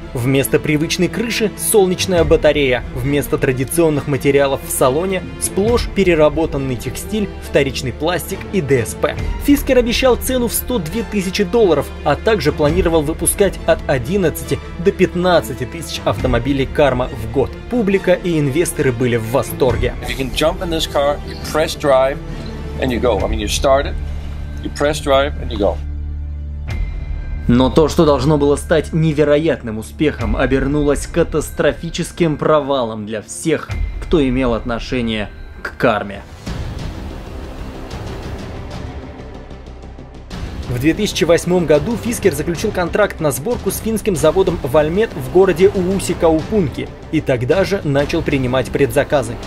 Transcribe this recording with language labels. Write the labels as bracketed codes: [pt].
[ru] Вместо привычной крыши – солнечная батарея, вместо традиционных материалов в салоне – сплошь переработанный текстиль, вторичный пластик и ДСП. Фискер обещал цену в $102 000, а также планировал выпускать от 11 до 15 тысяч автомобилей Карма в год. Публика и инвесторы были в восторге. [en] If you can jump in this car, you press drive and you go. I mean, you start it, you press drive and you go. [ru] Но то, что должно было стать невероятным успехом, обернулось катастрофическим провалом для всех, кто имел отношение к Карме. В 2008 году Фискер заключил контракт на сборку с финским заводом Valmet в городе Уусикаупунки и тогда же начал принимать предзаказы.